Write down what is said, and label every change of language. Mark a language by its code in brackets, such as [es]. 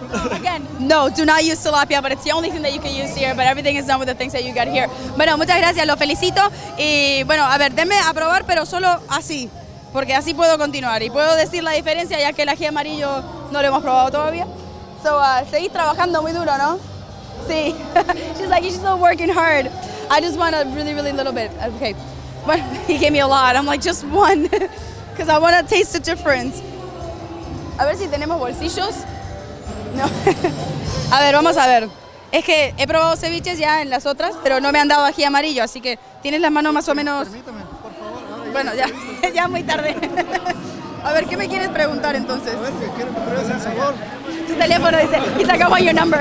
[en] Again, no, do not use tilapia, but it's the only thing that you can use here, but everything is done with the things that you got here. [es] Bueno, muchas gracias, lo felicito. Y bueno, a ver, denme a probar, pero solo así, porque así puedo continuar. Y puedo decir la diferencia, ya que el ají amarillo no lo hemos probado todavía. [en] So, [es] seguís trabajando muy duro, ¿no? Sí. [en] She's like, you're still working hard. I just want a really, really little bit. Okay. But he gave me a lot. I'm like, just one. Because I want to taste the difference. [es] A ver si tenemos bolsillos. No. A ver, vamos a ver. Es que he probado ceviches ya en las otras, pero no me han dado ají amarillo. Así que tienes las manos más o menos... Permítame, por favor. Bueno, ya. Ya es muy tarde. A ver, ¿qué me quieres preguntar entonces? A ver, ¿qué quieres que pruebes el sabor? Tu teléfono dice, [en] it's like, I want your number.